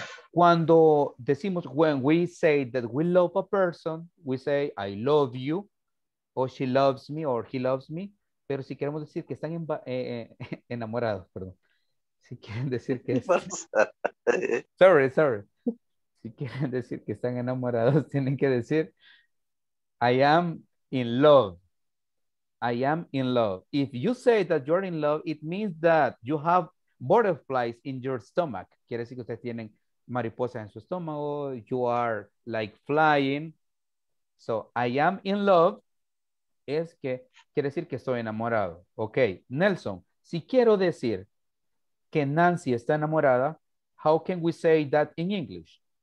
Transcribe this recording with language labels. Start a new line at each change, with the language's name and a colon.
Spanish: Cuando decimos,
English: when we say that we love a person, we say, I love you, o she loves me, or he loves me.
Spanish: Pero si queremos decir que están enamorados, perdón. Si quieren decir que...
English: Sorry.
Spanish: Si quieren decir que están enamorados, tienen que decir,
English: I am in love. I am in love. If you say that you're in love, it means that you have butterflies in your stomach.
Spanish: Quiere decir que ustedes tienen mariposas en su estómago.
English: You are like flying. So, I am in love.
Spanish: Es que quiere decir que estoy enamorado. Ok. Nelson, si quiero decir que Nancy está enamorada,
English: how can we say that in English?